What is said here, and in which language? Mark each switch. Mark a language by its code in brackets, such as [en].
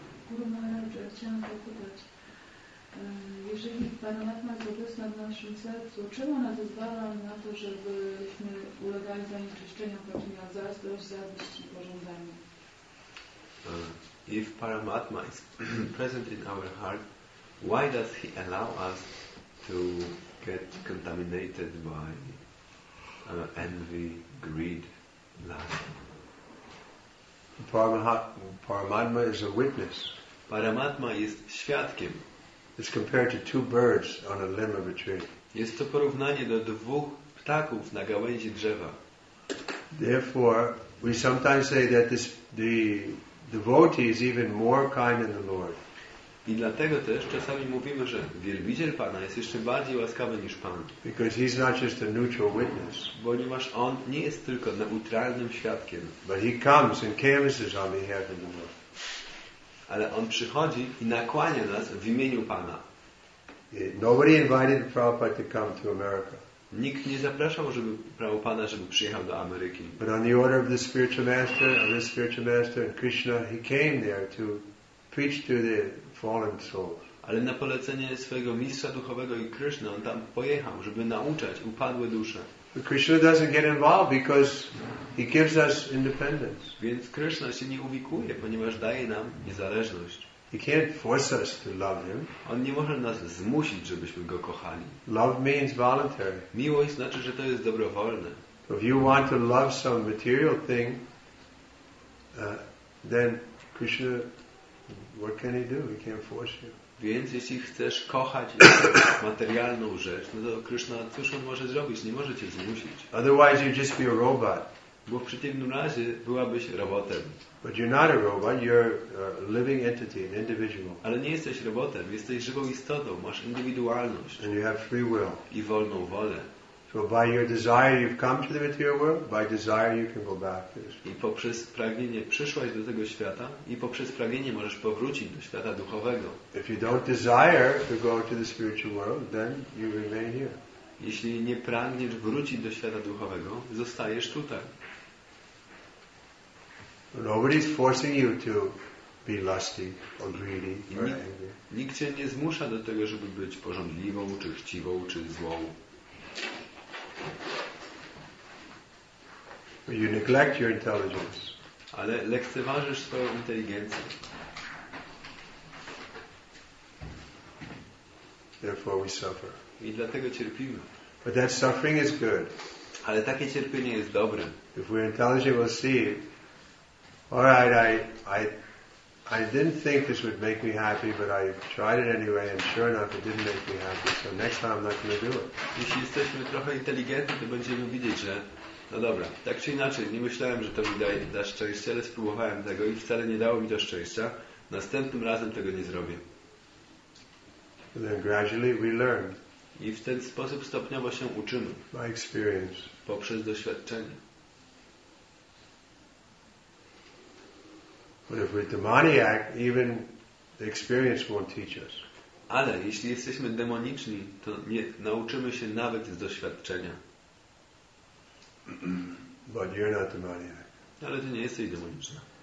[pl] Guru Maharaj, chciałam dopytać, Jeżeli Pan Atma jest obecna w naszym sercu, czemu ona zezwala na to, żebyśmy ulegali zanieczyszczeniom, właśnie na zazdrość, zawiść i pożądanie? [en] If Paramatma is present in our heart, why does he allow us to get contaminated by envy, greed, lust? Paramatma is a witness. [pl] Paramatma jest świadkiem. [en] It's compared to two birds on a limb of a tree. [pl] Jest to porównanie do dwóch ptaków na gałęzi drzewa. [en] Therefore, we sometimes say that the devotee is even more kind than the Lord. [pl] I dlatego też czasami mówimy, że wielbiciel Pana jest jeszcze bardziej łaskawy niż Pan. [en] Because he's not just a neutral witness. [pl] Ponieważ on nie jest tylko neutralnym świadkiem. [en] But he comes and canvasses on behalf of the Lord. [pl] Ale on przychodzi i nakłania nas w imieniu Pana. [en] Nobody invited Prabhupada to come to America. [pl] Nikt nie zapraszał, żeby Prabhupada, żeby przyjechał do Ameryki. [en] But on the order of the spiritual master, of his spiritual master and Krishna, he came there to preach to the fallen soul. [pl] Ale na polecenie swojego mistrza duchowego i Krishna, on tam pojechał, żeby nauczać upadłe dusze. [en] But Krishna doesn't get involved because he gives us independence. [pl] Więc Krishna się nie uwikuje, ponieważ daje nam niezależność. [en] He can't force us to love him. [pl] On nie może nas zmusić, żebyśmy go kochali. [en] Love means voluntary. [pl] Miłość znaczy, że to jest dobrowolne. [en] If you want to love some material thing, then Krishna, what can he do? He can't force you. [pl] Więc jeśli chcesz kochać materialną rzecz, no to Krishna, cóż on może zrobić? Nie może cię zmusić. [en] Otherwise you'd just be a robot. [pl] Bo w przeciwnym razie byłabyś robotem. [en] But you're not a robot, you're a living entity, an individual. [pl] Ale nie jesteś robotem, jesteś żywą istotą, masz indywidualność. [en] And you have free will. [pl] I wolną wolę. [en] So by your desire you've come to the material world, by desire you can go back to this. [pl] I poprzez pragnienie przyszłaś do tego świata i poprzez pragnienie możesz powrócić do świata duchowego. [en] If you don't desire to go to the spiritual world, then you remain here. [pl] Jeśli nie pragniesz wrócić do świata duchowego, zostajesz tutaj. [en] Nobody's forcing you to be lusty or greedy or angry. [pl] Nikt cię nie zmusza do tego, żeby być pożądliwą, czy chciwą, czy złą. [en] You neglect your intelligence. [pl] Ale lekceważysz swoją inteligencję. [en] Therefore we suffer. [pl] I dlatego cierpimy. [en] But that suffering is good. [pl] Ale takie cierpienie jest dobre. [en] If we're intelligent, we'll see. All right, I didn't think this would make me happy, but I tried it anyway, and sure enough, it didn't make me happy. So next time, I'm not going to do it. [pl] Jeśli jesteśmy trochę inteligentni, to będziemy widzieć, że no dobra, tak czy inaczej, nie myślałem, że to mi da szczęście, ale spróbowałem tego i wcale nie dało mi to szczęścia. Następnym razem tego nie zrobię. [en] And then gradually we learn. [pl] I w ten sposób stopniowo się uczymy. [en] By experience. [pl] Poprzez doświadczenie. [en] But if we're demoniac, even the experience won't teach us. [pl] Ale jeśli jesteśmy demoniczni, to nie nauczymy się nawet z doświadczenia. [en] But you're not demoniac. [pl] Ale ty nie jesteś demoniczna.